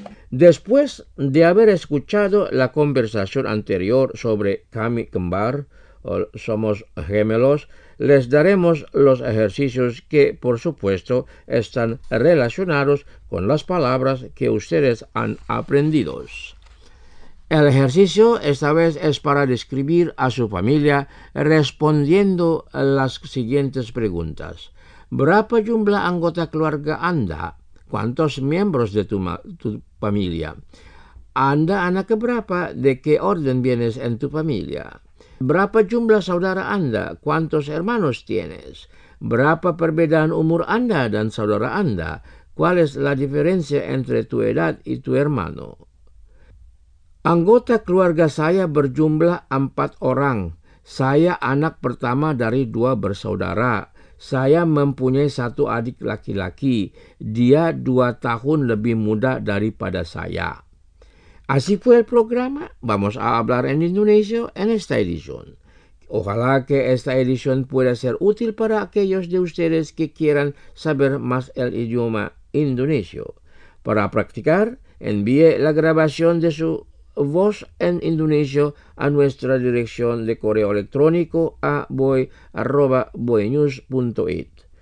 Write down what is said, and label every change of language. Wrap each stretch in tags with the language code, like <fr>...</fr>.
<es>Después de haber escuchado la conversación anterior sobre kami kembar, o somos gemelos, les daremos los ejercicios que, por supuesto, están relacionados con las palabras que ustedes han aprendido. El ejercicio esta vez es para describir a su familia respondiendo las siguientes preguntas.</es> <id>¿Berapa jumlah anggota keluarga Anda?</id> <es>¿Cuántos miembros de tu familia?</es> <id>¿Anda anak keberapa?</id> <es>¿De qué orden vienes en tu familia?</es> <id>¿Berapa jumlah saudara Anda?</id> <es>¿Cuántos hermanos tienes?</es> <id>¿Berapa perbedaan umur Anda dan saudara Anda?</id> <es>¿Cuál es la diferencia entre tu edad y tu hermano?</es> <id>Anggota keluarga saya berjumlah 4 orang. Saya anak pertama dari 2 bersaudara. Saya mempunyai 1 adik laki-laki. Dia 2 tahun lebih muda daripada saya.</id> <es>Así fue el programa. Vamos a hablar en indonesio en esta edición. Ojalá que esta edición pueda ser útil para aquellos de ustedes que quieran saber más el idioma indonesio. Para practicar, envíe la grabación de su voz en indonesio a nuestra dirección de correo electrónico a boy@boynews.it.</es>